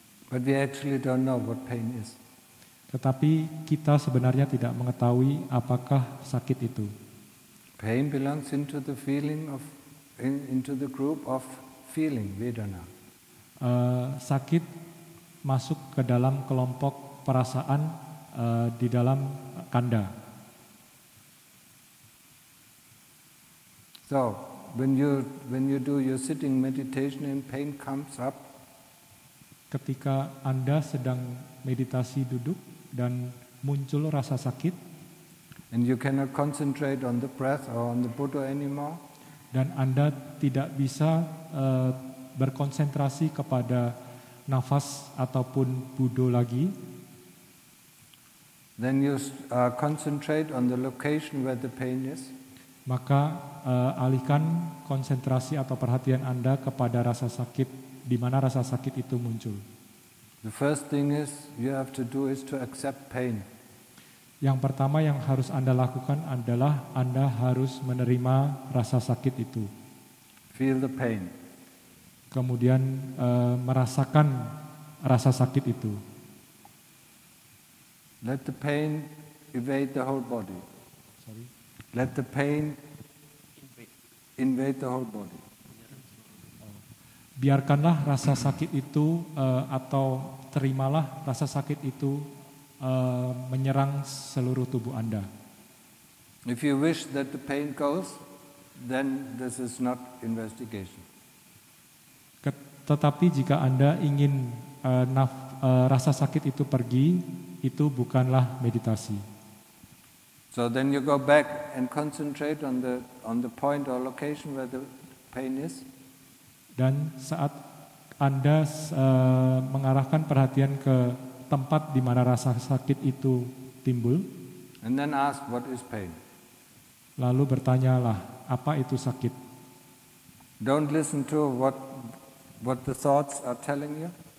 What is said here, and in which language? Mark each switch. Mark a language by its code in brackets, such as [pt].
[en] But we actually don't know what pain is. [id] Tetapi kita sebenarnya tidak mengetahui apakah sakit itu. [en] Pain belongs into the feeling of into the group of feeling vedana. [id] Sakit masuk ke dalam kelompok perasaan di dalam kanda. [en] So when you do your sitting meditation and pain comes up. [id] Ketika Anda sedang meditasi duduk dan muncul rasa sakit. [en] And you cannot concentrate on the breath or on the Buddha anymore. [id] Dan Anda tidak bisa berkonsentrasi kepada nafas ataupun Buddha lagi. [en] Then you concentrate on the location where the pain is. [id] Maka alihkan konsentrasi atau perhatian Anda kepada rasa sakit, di mana rasa sakit itu muncul. [en] The first thing is you have to do is to accept pain. [id] Yang pertama yang harus Anda lakukan adalah Anda harus menerima rasa sakit itu. [en] Feel the pain. [id] Kemudian merasakan rasa sakit itu. [en] Let the pain invade the whole body. Sorry. Let the pain invade the whole body. [id] Biarkanlah rasa sakit itu atau terimalah rasa sakit itu menyerang seluruh tubuh Anda. [en] If you wish that the pain goes, then this is not investigation. [id] Tetapi jika Anda ingin rasa sakit itu pergi, itu bukanlah meditasi. [en] So then you go back and concentrate on the point or location where the pain is. [id] Dan saat Anda mengarahkan perhatian ke tempat di mana rasa sakit itu timbul. [en] And then ask what is pain. [id] Lalu bertanyalah apa itu sakit. [en] Don't listen to what the thoughts are telling you.